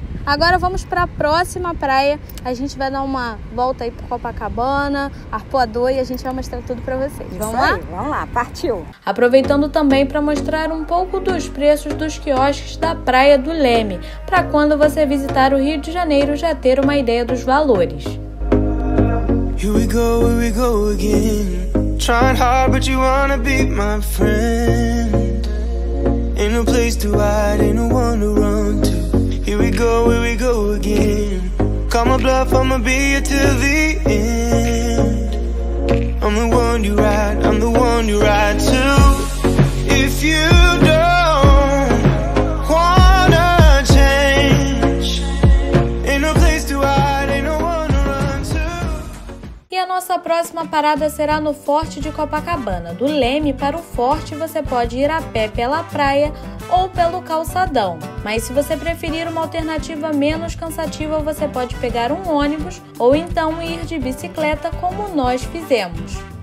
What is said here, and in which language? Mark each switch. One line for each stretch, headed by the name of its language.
Portuguese: Agora vamos para a próxima praia. A gente vai dar uma volta aí para Copacabana, Arpoador, e a gente vai mostrar tudo para vocês. Isso vamos lá? Aí, vamos lá, partiu! Aproveitando também para mostrar um pouco dos preços dos quiosques da Praia do Leme, para quando você visitar o Rio de Janeiro já ter uma ideia dos valores.
English: Here we go again. Trying hard, but you wanna be my friend. Ain't no place to hide, ain't no one to run to. Here we go again. Call my bluff, I'ma be here till the end. I'm the one you ride, I'm the one you ride to. If you don't wanna change, ain't no place to hide, ain't no one to run to.
Portuguese: E a nossa próxima parada será no Forte de Copacabana. Do Leme para o Forte, você pode ir a pé pela praia ou pelo calçadão. Mas se você preferir uma alternativa menos cansativa, você pode pegar um ônibus ou então ir de bicicleta, como nós fizemos.